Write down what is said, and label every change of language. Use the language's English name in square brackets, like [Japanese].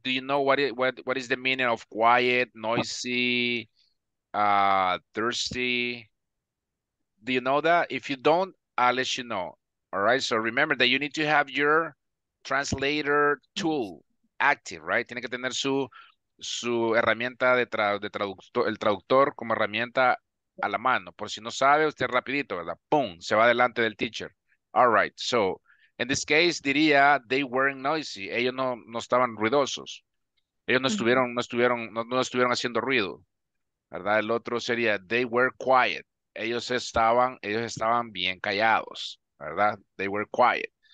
[English] Do you know what is the meaning of quiet, noisy, thirsty? Do you know that? If you don't, I'll let you know. All right, so remember that you need to have your translator tool active, right? [Spanish] Tiene que tener su herramienta de traductor, el traductor como herramienta a la mano. Por si no sabe, usted rapidito, ¿verdad? ¡Pum! Se va delante del teacher. [English] All right, so in this case, [Spanish] diría, [English] they weren't noisy. [Spanish] Ellos no estaban ruidosos. Ellos no estuvieron haciendo ruido, ¿verdad? El otro sería, [English] they were quiet. [Spanish] Ellos estaban bien callados, ¿verdad? [English] They were quiet.